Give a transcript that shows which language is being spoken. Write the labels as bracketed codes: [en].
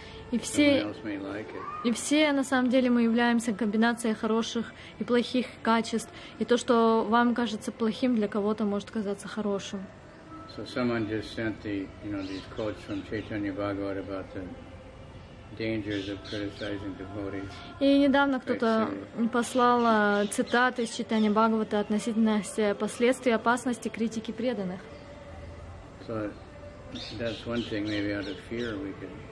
[ru] И все, на самом деле, мы являемся комбинацией хороших и плохих качеств. И то, что вам кажется плохим, для кого-то может казаться хорошим. [en] So someone just sent the, you know, these quotes from Chaitanya Bhagavat about the dangers of criticizing devotees. [ru] И недавно кто-то послал цитаты из Чайтаньи Бхагавата относительно последствий опасности критики преданных. [en] So that's one thing, maybe out of fear we could...